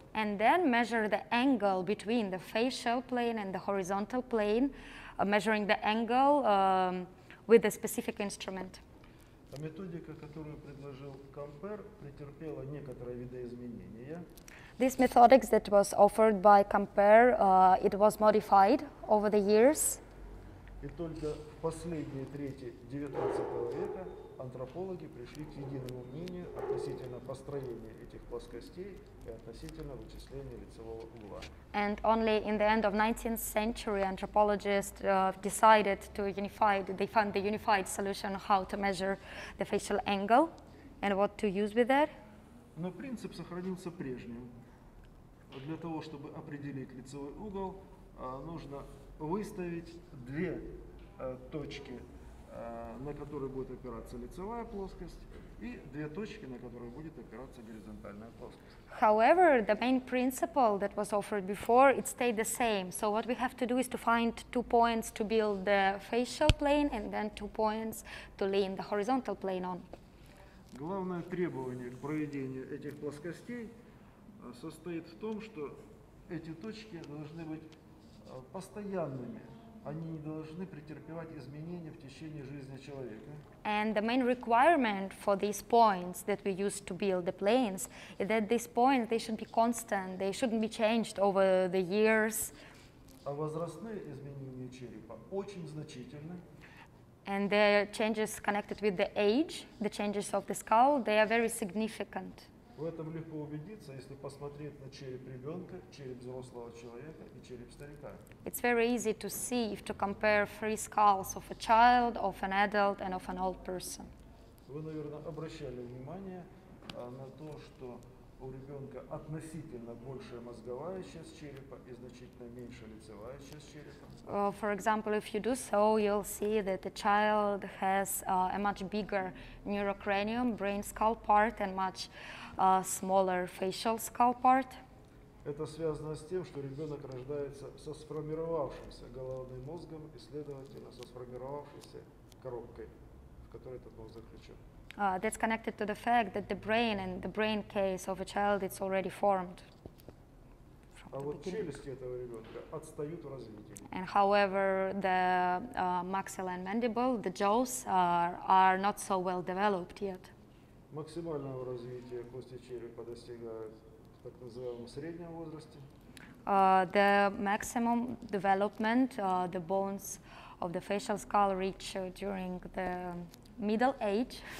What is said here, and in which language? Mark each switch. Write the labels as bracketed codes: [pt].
[en] And then measure the angle between the facial plane and the horizontal plane, measuring the angle with a specific instrument. [ru] А методика, которую предложил Кампер, претерпела некоторые видоизменения. [en] This methodics that was offered by Kamper, it was modified over the years. [ru] И только в последние трети 19 века антропологи пришли к единому мнению относительно построения этих плоскостей и относительно вычисления лицевого угла. [en] And only in the end of 19th century anthropologists decided to unify, they found the unified solution how to measure the facial angle and what to use with that. [ru] Но принцип сохранился прежним. Для того, чтобы определить лицевой угол, нужно выставить две точки на которой будет опираться лицевая плоскость, и две точки, на которые будет опираться горизонтальная плоскость. [en] However, the main principle that was offered before, it stayed the same. So what we have to do is to find two points to build the facial plane and then two points to lean the horizontal plane on. [ru] Главное требование к проведению этих плоскостей состоит в том, что эти точки должны быть постоянными. Они не должны претерпевать изменения в течение жизни человека. [en] And the main requirement for these points that we use to build the planes is that these points, they should be constant, they shouldn't be changed over the years. [ru] А возрастные изменения черепа очень значительны. [en] And the changes connected with the age, the changes of the skull, they are very significant. [ru] В этом легко убедиться, если посмотреть на череп ребенка, череп взрослого человека и череп старика. [en] It's very easy to see if to compare three skulls of a child, of an adult, and of an old person. [ru] Вы, наверное, обращали внимание на то, что у ребенка относительно большая мозговая часть черепа и значительно меньше лицевая часть черепа. [en] For example, if you do so, you'll see that the child has a much bigger neurocranium, brain skull part, and much smaller facial skull part. [ru] Это связано с тем, что ребенок рождается со сформировавшимся головным мозгом и, следовательно, со сформировавшейся коробкой, в которой этот мозг заключен. [en] That's connected to the fact that the brain and the brain case of a child it's already formed. [ru] А вот челюсти этого ребенка отстают в развитии. [en] And however, the maxilla and mandible, the jaws are not so well developed yet. [ru] Максимального развития кости черепа достигают в так называемом среднем возрасте. [en] The maximum development the bones of the facial skull reach during the middle age.